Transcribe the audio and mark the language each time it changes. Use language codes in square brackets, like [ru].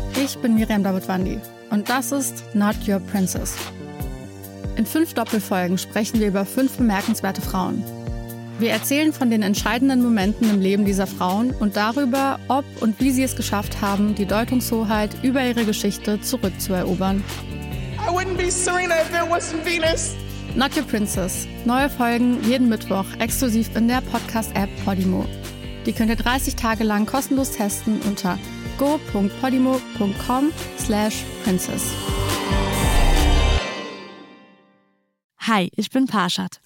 [de] Oh. Ich bin Miriam Dabutwandi und das ist Not Your Princess. In 5 Doppelfolgen sprechen wir über 5 bemerkenswerte Frauen. Wir erzählen von den entscheidenden Momenten im Leben dieser Frauen und darüber, ob und wie sie es geschafft haben, die Deutungshoheit über ihre Geschichte zurückzuerobern. [en] I wouldn't be Serena if there wasn't Venus. Not Your Princess. [de] Neue Folgen jeden Mittwoch exklusiv in der Podcast-App Podimo. Die könnt ihr 30 Tage lang kostenlos testen unter go.podimo.com/princess. Hi, ich bin Parshad.